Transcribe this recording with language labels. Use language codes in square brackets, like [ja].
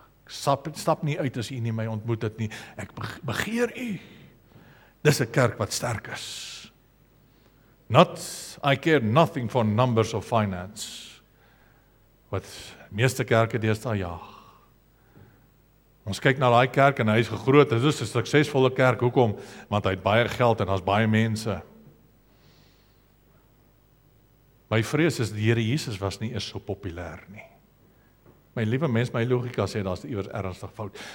[af] Stap nie uit as u nie my ontmoet het nie. Ek begeer u. Dis 'n kerk wat sterk is. [en] Not I care nothing for numbers or finance. [af] Wat meeste kerke deesdae jaag. Ons kyk na daai kerk en hy is gegroot, dit is 'n suksesvolle kerk, hoekom? Want hy het baie geld en daar's baie mense. My vrees is die Here Jesus was nie eers so populêr nie. My liewe mens, my logika sê daar's iewers ernstig fout.